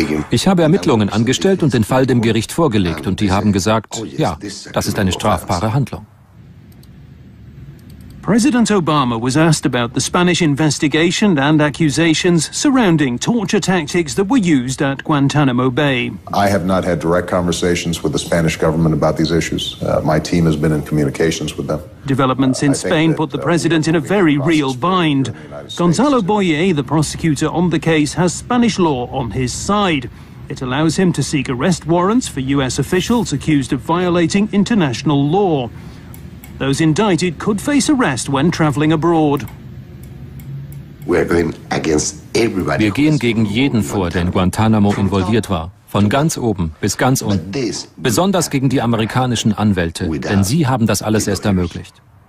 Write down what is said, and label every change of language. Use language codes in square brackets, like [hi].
[de] Ich habe Ermittlungen angestellt und den Fall dem Gericht vorgelegt und die haben gesagt, ja, das ist eine strafbare Handlung. [en] President Obama was asked about the Spanish investigation and accusations surrounding torture tactics that were used at Guantanamo Bay. I have not had direct conversations with the Spanish government about these issues. My team has been in communications with them. Developments in Spain put the president in a very real bind. Gonzalo Boyer, the prosecutor on the case, has Spanish law on his side. It allows him to seek arrest warrants for U.S. officials accused of violating international law. Those indicted could face arrest when traveling abroad. [de] Wir gehen gegen jeden vor, der in Guantanamo involviert war. Von ganz oben bis ganz unten. Besonders gegen die amerikanischen Anwälte, denn sie haben das alles erst ermöglicht.